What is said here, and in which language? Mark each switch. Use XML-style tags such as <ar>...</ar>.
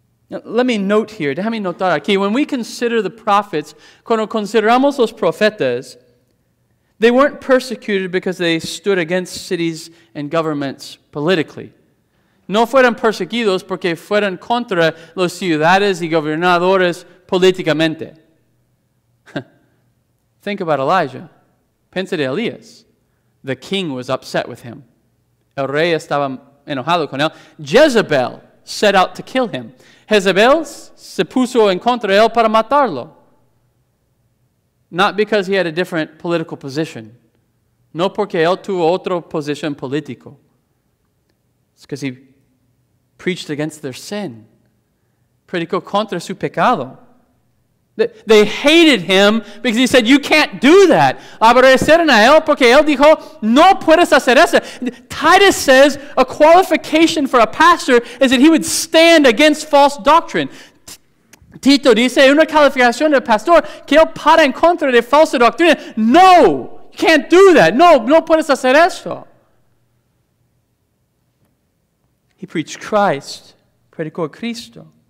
<en>Let me note here,</en> <es>déjame notar aquí,</es> <en>when we consider the prophets,</en> <es>cuando consideramos los profetas,</es> <en>they weren't persecuted because they stood against cities and governments politically.</en> <es>No fueron perseguidos porque fueron contra los ciudades y gobernadores políticamente.</es> <en>Think about Elijah.</en> <es>Piensa de Elías.</es> <en>The king was upset with him.</en> <es>El rey estaba enojado con él.</es> <en>Jezebel set out to kill him.</en> <es>Jezebel se puso en contra de él para matarlo.</es> <en>Not because he had a different political position.</en> <es>No porque él tuvo otra posición político.</es> <en>It's because he preached against their sin.</en> <es>Predicó contra su pecado.</es> <en>They hated him because he said, you can't do that.</en> <es>Aborrecieron a él porque él dijo, no puedes hacer eso.</es> <en>Titus says a qualification for a pastor is that he would stand against false doctrine.</en> <es>Tito dice, una calificación de pastor que él para en contra de falsa doctrina.</es> <en>No, you can't do that.</en> <es>No, no puedes hacer eso.</es> <en>He preached Christ,</en> <es>predicó Cristo.</es>